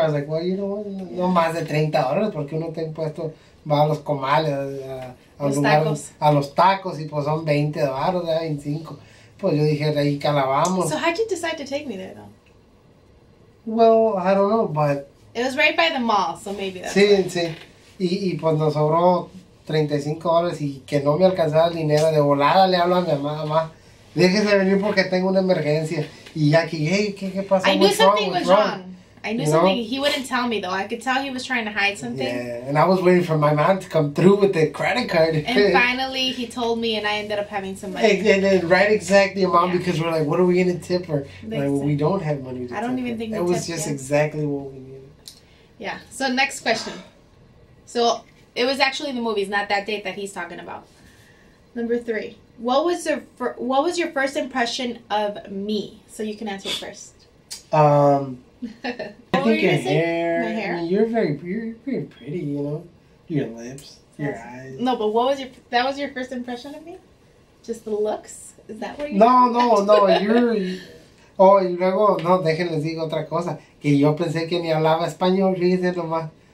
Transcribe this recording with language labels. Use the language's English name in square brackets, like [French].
[English] I was like, well, you know what? [Spanish] No más de $30, porque uno te impuesto. Va a los comales, a los tacos, y pues son $20, 25. [English] So how'd you decide to take me there, though? Well, I don't know, but... It was right by the mall, so maybe that's [Spanish] sí, right. Sí, sí. Y pues nos sobró $35 y que no me alcanzaba el dinero. De volada le hablo a mi mamá. Déjese venir porque tengo una emergencia. Y aquí, hey, ¿qué pasó? [English] I knew something was wrong. I knew something. He wouldn't tell me, though. I could tell he was trying to hide something. Yeah, and I was waiting for my mom to come through with the credit card. And finally, he told me, and I ended up having some money. And then, right exactly, mom, because we're like, what are we going to tip her? Like, well, we don't have money to tip her. I don't even think we was just exactly what we needed. Yeah, so next question. So, it was actually the movies, not that date that he's talking about. Number three. What was your first impression of me? So, you can answer it first. I think your hair. My hair. I mean, you're very pretty, you know. Your lips, your eyes. No, but that was your first impression of me? Just the looks? Is that what you're [Spanish] Oh, y luego, no, déjenles digo otra cosa. Que yo pensé que ni hablaba español, fíjense nomás.